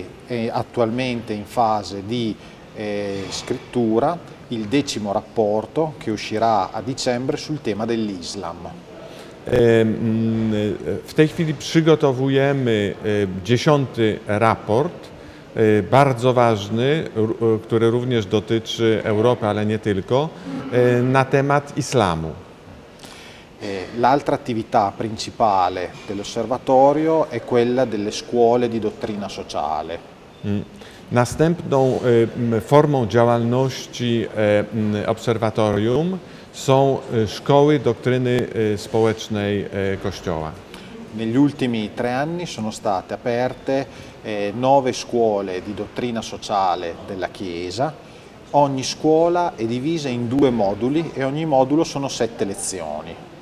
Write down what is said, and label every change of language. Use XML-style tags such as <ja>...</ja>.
<it>E attualmente in fase di scrittura il decimo rapporto che uscirà a dicembre sul tema dell'Islam.</it> <pl>W tej chwili przygotowujemy 10. raport, bardzo ważny, który również dotyczy Europy, ale nie tylko, na temat islamu.</pl> <it>L'altra attività principale dell'osservatorio è quella delle scuole di dottrina sociale.</it> <pl>Następną formą działalności obserwatorium są szkoły dottrina społeczna Kościoła.</pl> <it>Negli ultimi 3 anni sono state aperte 9 scuole di dottrina sociale della Chiesa. Ogni scuola è divisa in 2 moduli e ogni modulo sono 7 lezioni.</it>